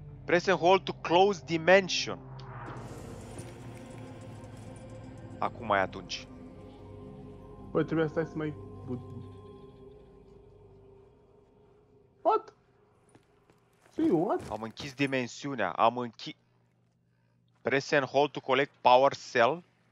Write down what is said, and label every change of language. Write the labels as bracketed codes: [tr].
[en] Press and hold to close dimension. [ro] Acum ai atunci. Bă, trebuia să stai să mai... [en] What? [ro] Am închis dimensiunea, am închis... [en] Press and hold to collect power cell.